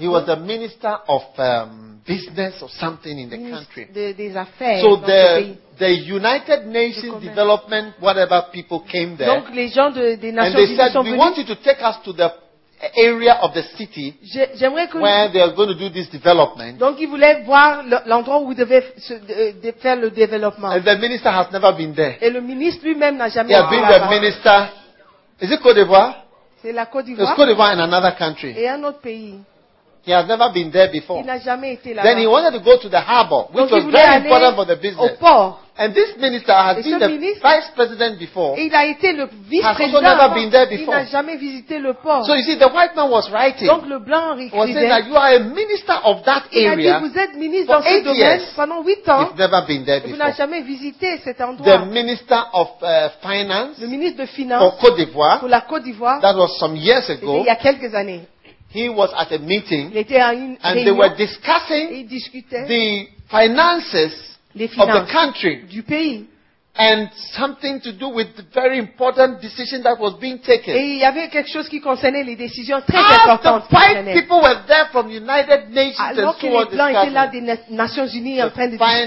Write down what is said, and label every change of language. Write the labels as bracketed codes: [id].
[en] He was the minister of business or something in the country. [fr] Des affaires. [en] So the United Nations Development, whatever people came there. [fr] Donc les gens des Nations Unies. [en] And they said, we want you to take us to the area of the city where they are going to do this development. [fr] Donc ils voulaient voir l'endroit où ils devaient faire le développement. [en] And the minister has never been there. [fr] Et le ministre lui-même n'a jamais été là. [en] He has been the minister. Is it Côte d'Ivoire? [fr] C'est la Côte d'Ivoire. [en] It's Côte d'Ivoire in another country. [fr] Et un autre pays. [en] He has never been there before. [fr] Il n'a jamais été là. [en] Then he wanted to go to the harbor, which [fr] donc, [en] was very important for the business. [fr] Au port. [en] And this minister has been the vice president before. [fr] Il a été le vice-président. [en] Has also never been there before. [fr] Il n'a jamais visité le port. [en] So you see, the white man was writing. [fr] Donc le blanc écrivait. [en] Was saying that you are a minister of that area. [fr] Il a dit vous êtes ministre dans ce domaine pendant 8 ans. [en] You've never been there before. [fr] Vous n'avez jamais visité cet endroit. [en] The minister of finance. [fr] Le ministre de finance. [en] For Côte d'Ivoire. [fr] Pour la Côte d'Ivoire. [en] That was some years ago. [fr] Il y a quelques années. [en] He was at a meeting. [fr] Il était à une [en] and [fr] réunion. [en] They were discussing. [fr] Et ils discutaient. [en] The finances. Of the country, [fr] du pays. [en] And something to do with the very important decision that was being taken. [fr] Et il y avait quelque chose qui concernait les décisions très importantes. [en] The five people were there from United Nations and so on. [fr] Alors que les blancs étaient là des Nations Unies en train de discuter.